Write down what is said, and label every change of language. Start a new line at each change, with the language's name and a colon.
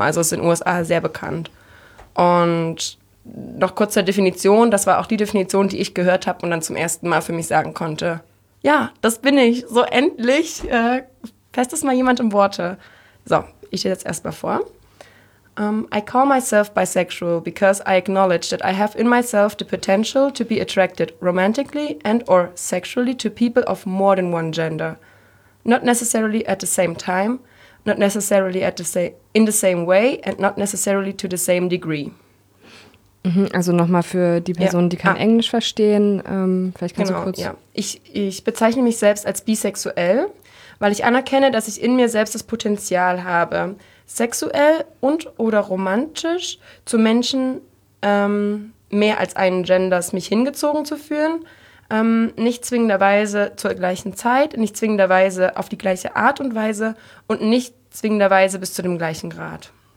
German: Also ist in den USA sehr bekannt. Und noch kurz zur Definition, das war auch die Definition, die ich gehört habe und dann zum ersten Mal für mich sagen konnte, ja, das bin ich, so endlich, fasst es mal jemand in Worte. So, ich stehe jetzt erstmal vor.
English: I call myself bisexual because I acknowledge that I have in myself the potential to be attracted romantically and or sexually to people of more than one gender. Not necessarily at the same time, not necessarily in the same way and not necessarily to the same degree.
German: Also nochmal für die Personen, die kein Englisch verstehen, vielleicht kannst du kurz... Ja. Ich bezeichne mich selbst als bisexuell, weil ich anerkenne, dass ich in mir selbst das Potenzial habe, sexuell und oder romantisch zu Menschen mehr als einen Genders mich hingezogen zu fühlen, nicht zwingenderweise zur gleichen Zeit, nicht zwingenderweise auf die gleiche Art und Weise und nicht zwingenderweise bis zu dem gleichen Grad.